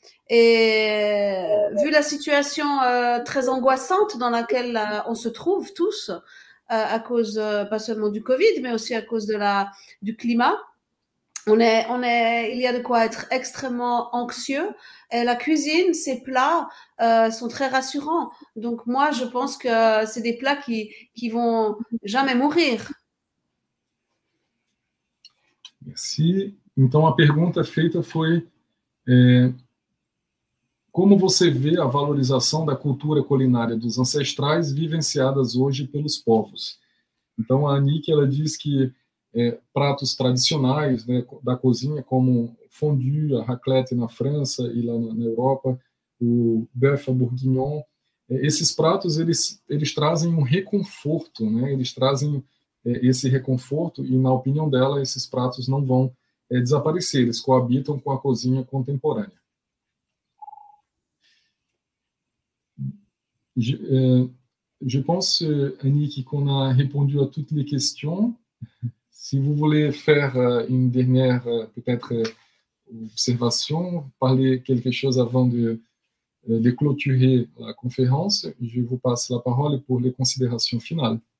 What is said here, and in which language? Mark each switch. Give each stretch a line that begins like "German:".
French: Et vu la situation très angoissante dans laquelle on se trouve tous, à cause pas seulement du Covid, mais aussi à cause du climat, il y a de quoi être extrêmement anxieux. Et la cuisine, ces plats sont très rassurants. Donc moi, je pense que c'est des plats qui vont jamais mourir. Merci.
Portuguese: Então, a pergunta feita foi como você vê a valorização da cultura culinária dos ancestrais vivenciadas hoje pelos povos? Então, a Anick, ela diz que pratos tradicionais, né, da cozinha, como fondue, a raclette na França e lá na Europa, o bœuf bourguignon, esses pratos, eles trazem um reconforto, né, eles trazem esse reconforto, e na opinião dela, esses pratos não vão desaparecer, eles coabitam com a cozinha contemporânea.
French: Je pense, Annick, qu'on a répondu à toutes les questions. Si vous voulez faire une dernière, peut-être, observation, parler quelque chose avant de clôturer la conférence, je vous passe la parole pour les considérations finales.